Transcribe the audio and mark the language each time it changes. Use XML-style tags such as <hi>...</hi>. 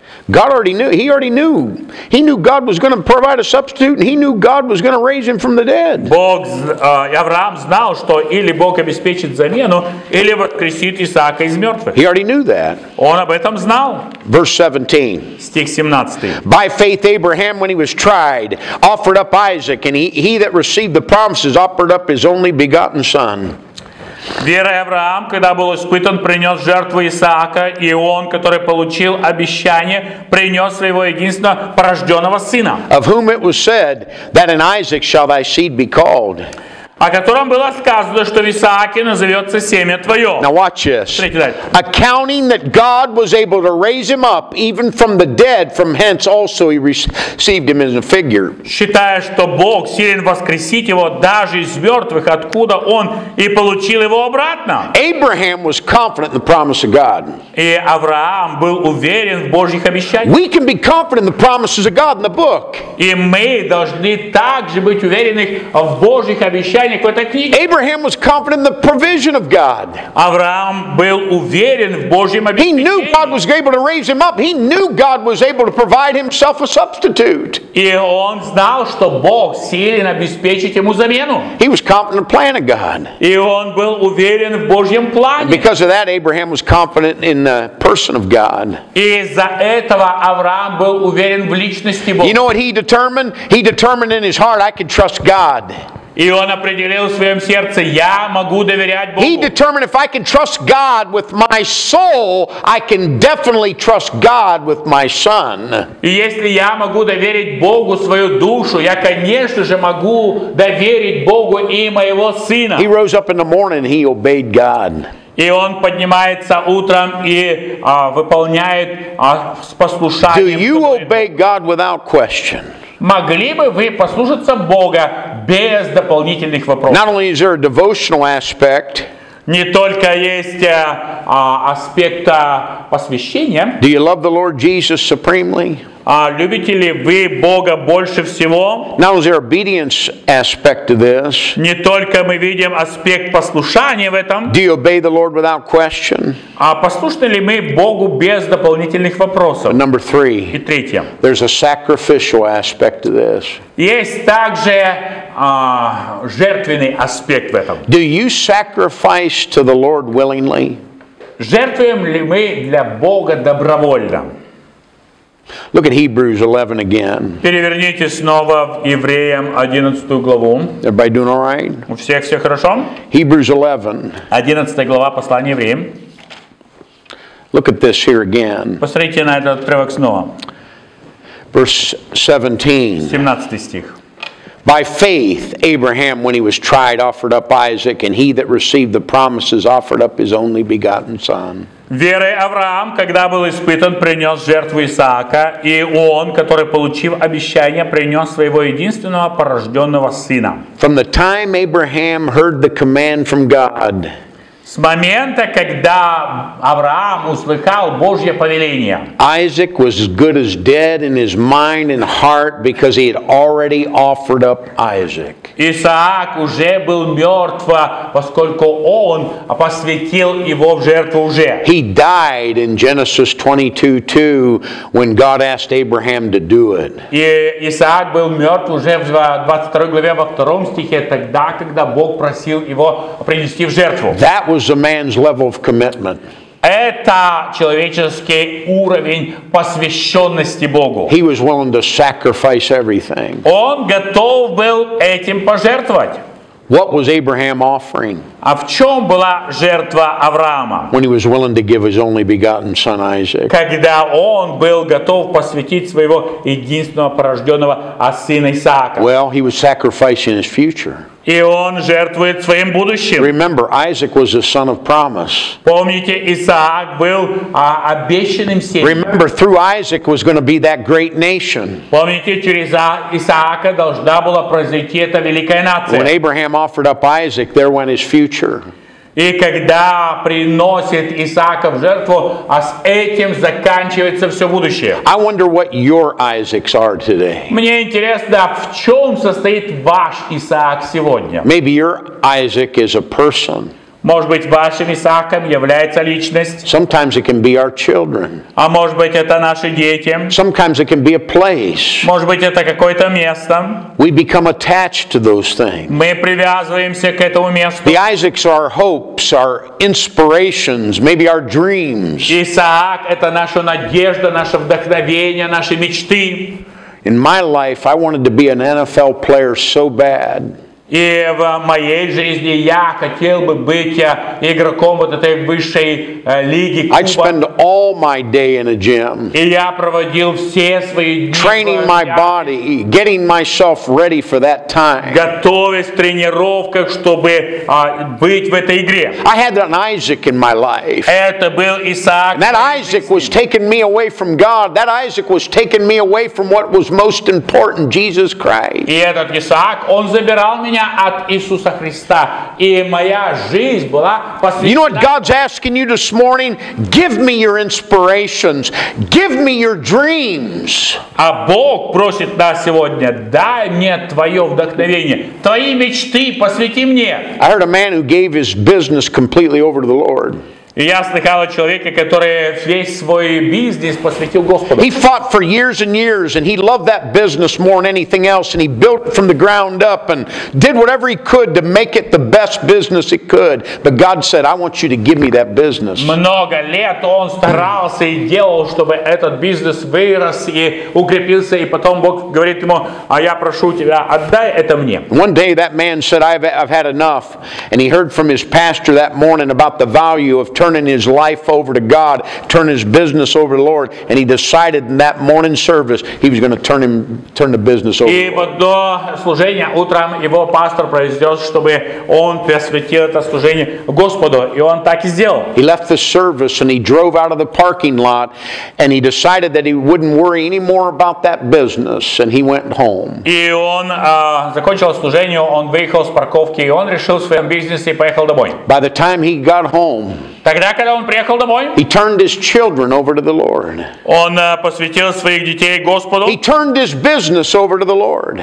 <en>God already knew. He already knew. He knew God was going to provide a substitute, and He knew God was going to raise him from the dead.</en> <ru>Бог, Авраам знал, что или Бог обеспечит замену, или воскресит Исаака из мертвых.</ru> <en>He already knew that.</en> <ru>Он об этом знал.</ru> <en>Verse 17.</en> <ru>Стих 17.</ru> <en>By faith Abraham, when he was tried, offered up Isaac, and he that received the promises offered up his only begotten son.</en> <ru>Вера Авраам, когда был испытан, принес жертву Исаака, и он, который получил обещание, принес своего единственного порожденного сына.</ru> <en>Of whom it was said that in Isaac shall thy seed be called.</en> <ru>о котором было сказано, что в Исааке назовется семя твое.</ru> <en>Now watch this. Accounting that God was able to raise him up even from the dead, from hence also he received him as a figure.</en> <ru>Считая, что Бог силен воскресить его даже из мертвых, откуда он и получил его обратно.</ru> <en>Abraham was confident in the promise of God.</en> <ru>И Авраам был уверен в Божьих обещаниях.</ru> <en>We can be confident in the promises of God in the book.</en> <ru>И мы должны также быть уверены в Божьих обещаниях.</ru> <en>Abraham was confident in the provision of God.</en> <ru>Авраам был уверен в Божьем обещании.</ru> <en>He knew God was able to raise him up. He knew God was able to provide himself a substitute.</en> <ru>И он знал, что Бог силен обеспечить ему замену.</ru> <en>He was confident in the plan of God.</en> <ru>И он был уверен в Божьем плане.</ru> <en>And because of that, Abraham was confident in the person of God.</en> <ru>И из-за этого Авраам был уверен в личности Бога.</ru> <en>You know what he determined? He determined in his heart, I can trust God.</en> <ru>И он определил в своем сердце, я могу доверять Богу.</ru> <en>He determined if I can trust God with my soul, I can definitely trust God with my son.</en> <ru>И если я могу доверить Богу свою душу, я, конечно же, могу доверить Богу и моего сына.</ru> <en>He rose up in the morning, he obeyed God.</en> <ru>И он поднимается утром и выполняет с послушанием.</ru> <en>Do you obey God without question?</en> <ru>Могли бы вы послушаться Бога без дополнительных вопросов?</ru> <en>Not only is there a devotional aspect,</en> <ru>не только есть аспект посвящения.</ru> <en>Do you love the Lord Jesus supremely?</en> <ru>Любите ли вы Бога больше всего?</ru> <en>Not only is there obedience aspect to this,</en> <ru>не только мы видим аспект послушания в этом.</ru> <en>Do you obey the Lord without question?</en> <ru>Послушны ли мы Богу без дополнительных вопросов?</ru> <en>Number three.</en> <ru>И третье.</ru> <en>There's a sacrificial aspect to this.</en> <ru>Есть также жертвенный аспект в этом.</ru> <en>Do you sacrifice to the Lord willingly?</en> <ru>Жертвуем ли мы для Бога добровольно?</ru> <en>Look at Hebrews 11 again.</en> <ru>Переверните снова в Евреям 11 главу.</ru> <en>Everybody doing all right?</en> <ru>У всех все хорошо?</ru> <en>Hebrews 11.</en> <ru>11 глава послания Евреям.</ru> <en>Look at this here again.</en> <ru>Посмотрите на этот отрывок снова.</ru> <en>Verse 17.</en> <ru>17 стих.</ru> <en>By faith, Abraham, when he was tried, offered up Isaac, and he that received the promises offered up his only begotten son.</en> <ru>Верой Авраам, когда был испытан, принес жертву Исаака, и он, который получил обещание, принес своего единственного порожденного сына.</ru> <en>From the time Abraham heard the command from God,</en> <ru>с момента, когда Авраам услыхал Божье повеление,</ru> <en>Isaac was as good as dead in his mind and heart because he had already offered up Isaac.</en> <ru>Исаак уже был мертв, поскольку он посвятил его в жертву уже.</ru> <en>He died in Genesis 22:2 when God asked Abraham to do it.</en> <ru>И Исаак был мертв уже в 22 главе во втором стихе тогда, когда Бог просил его принести в жертву.</ru> <en>That was a man's level of commitment.</en> <ru>Это человеческий уровень посвященности Богу.</ru> <en>He was willing to sacrifice everything.</en> <ru>Он готов был этим пожертвовать.</ru> <en>What was Abraham offering?</en> <ru>А в чем была жертва Авраама?</ru> <en>When he was willing to give his only begotten son Isaac.</en> <ru>Когда он был готов посвятить своего единственного порожденного сына Исаака.</ru> <en>Well, he was sacrificing his future.</en> <ru>И он жертвует своим будущим.</ru> <en>Remember, Isaac was the son of promise.</en> <ru>Помните, Исаак был обещанным сыном.</ru> <en>Remember, through Isaac was going to be that great nation.</en> <ru>Помните, через Исаака должна была произойти эта великая нация.</ru> <en>When Abraham offered up Isaac, there went his future.</en> <ru>И когда приносит Исаака в жертву, а с этим заканчивается все будущее.</ru> <en>I wonder what your Isaacs are today.</en> <ru>Мне интересно, в чем состоит ваш Исаак сегодня?</ru> <en>Maybe your Isaac is a person.</en> <ru>Может быть, вашим Исааком является личность.</ru> <en>Sometimes it can be our children.</en> <ru>А может быть, это наши дети.</ru> <en>Sometimes it can be a place.</en> <ru>Может быть, это какое-то место.</ru> <en>We become attached to those things.</en> <ru>Мы привязываемся к этому месту.</ru> <en>The Isaacs are our hopes, our inspirations, maybe our dreams.</en> <ru>Исаак – это наша надежда, наше вдохновение, наши мечты.</ru> <en>In my life, I wanted to be an NFL player so bad.</en> <ru>И в моей жизни я хотел бы быть игроком вот этой высшей лиги Куба.</ru> <en>I'd spend all my day in a gym.</en> <ru>И я проводил все свои дни.</ru> <en>Training my body, getting myself ready for that time.</en> <ru>Готовясь к тренировкам, чтобы быть в этой игре.</ru> <en>I had an Isaac in my life.</en> <ru>Это был Исаак.</ru> <en>And that Isaac was taking me away from God. That Isaac was taking me away from what was most important, Jesus Christ.</en> <ru>И этот Исаак, он забирал меня от Иисуса Христа, и моя жизнь была посвящена.</ru> <en>You know what God's asking you this morning? Give me your inspirations. Give me your dreams.</en> <ru>А Бог просит нас сегодня: дай мне твое вдохновение, твои мечты, посвяти мне.</ru> <en>I heard a man who gave his business completely over to the Lord.</en> <ru>И я слыхал о человеке, который весь свой бизнес посвятил Господу.</ru> <en>He fought for years and years, and he loved that business more than anything else, and he built from the ground up and did whatever he could to make it the best business it could. But God said, I want you to give me that business.</en> <ru>Много лет он старался и делал, чтобы этот бизнес вырос и укрепился, и потом Бог говорит ему: а я прошу тебя, отдай это мне.</ru> <en>One day that man said, I've had enough, and he heard from his pastor that morning about the value of turning his life over to God, turn his business over to the Lord, and he decided in that morning service he was going to turn the business over.</en> <ru>И вот до служения утром его пастор произнес, чтобы он посвятил это служение Господу, и он так и сделал.</ru> <en>He left the service and he drove out of the parking lot, and he decided that he wouldn't worry anymore about that business, and he went home.</en> <ru>И он закончил служение, он выехал с парковки, и он решил своем бизнесе и поехал домой.</ru> <en>By the time he got home,</en> <ru>тогда, когда он приехал домой,</ru> <en>he turned his children over to the Lord.</en> <ru>Он посвятил своих детей Господу.</ru> <en>He turned his business over to the Lord.</en>